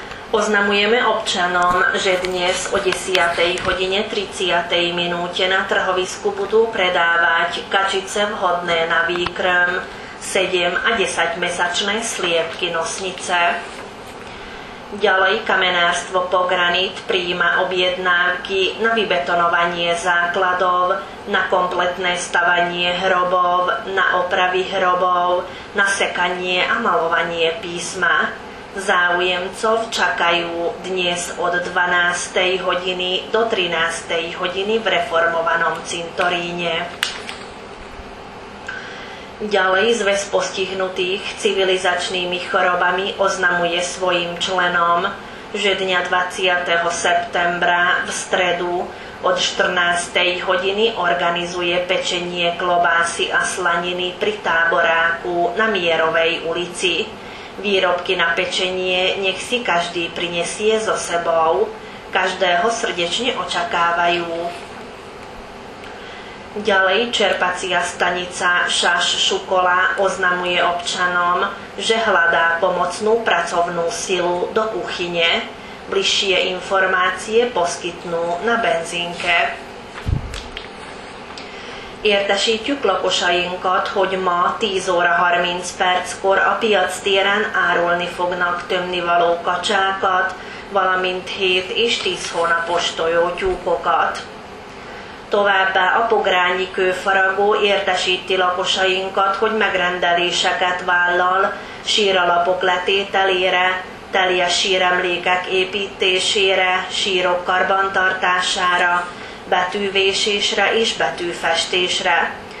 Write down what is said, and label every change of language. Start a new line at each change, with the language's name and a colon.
Slovak: Oznamujeme občanom, že dnes o 10. hodine 30. minúte na trhovisku budú predávať kačice vhodné na výkrm, 7 a 10 mesačné sliepky nosnice. Ďalej kamenárstvo Pogranit prijíma objednávky na vybetonovanie základov, na kompletné stavanie hrobov, na opravy hrobov, na sekanie a malovanie písma. Záujemcov čakajú dnes od 12. hodiny do 13. hodiny v reformovanom cintoríne. Ďalej zväz postihnutých civilizačnými chorobami oznamuje svojim členom, že dňa 20. septembra v stredu od 14. hodiny organizuje pečenie klobásy a slaniny pri táboráku na Mierovej ulici. Výrobky na pečenie nech si každý prinesie so sebou. Každého srdečne očakávajú. Ďalej čerpacia stanica Šaš Šukola oznamuje občanom, že hľadá pomocnú pracovnú silu do kuchyne. Bližšie informácie poskytnú na benzínke.
Hungarian: Értesítjük lakosainkat, hogy ma 10 óra 30 perckor a piac téren árulni fognak tömnivaló kacsákat, valamint 7 és 10 hónapos tojótyúkokat. Továbbá a Pogrányi Kőfaragó értesíti lakosainkat, hogy megrendeléseket vállal síralapok letételére, teljes síremlékek építésére, sírok karbantartására, betűvésésre és betűfestésre.